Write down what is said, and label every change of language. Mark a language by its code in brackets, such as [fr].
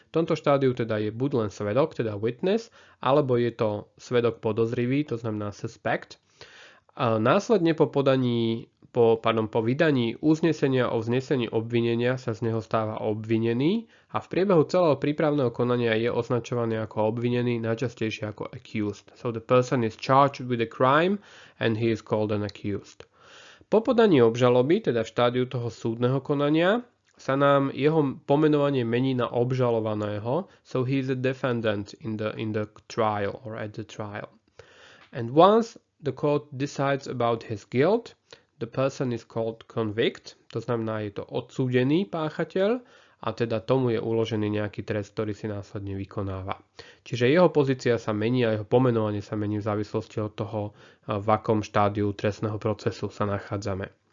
[sk] V tomto štádiu teda je buď len svedok, teda witness, alebo je to svedok podozrivý, to znamená suspect. A následne po vydaní uznesenia o vznesení obvinenia sa z neho stáva obvinený a v priebehu celého prípravného konania je označovaný ako obvinený, najčastejšie ako accused. [en] So the person is charged with a crime and he is called an accused. [sk] Po podaní obžaloby, teda v štádiu toho súdneho konania, sa nám jeho pomenovanie mení na obžalovaného. [en] So he is a defendant in the trial or at the trial. And once the court decides about his guilt, the person is called convict, [sk] to znamená, je to odsúdený páchateľ a teda tomu je uložený nejaký trest, ktorý si následne vykonáva. Čiže jeho pozícia sa mení a jeho pomenovanie sa mení v závislosti od toho, v akom štádiu trestného procesu sa nachádzame.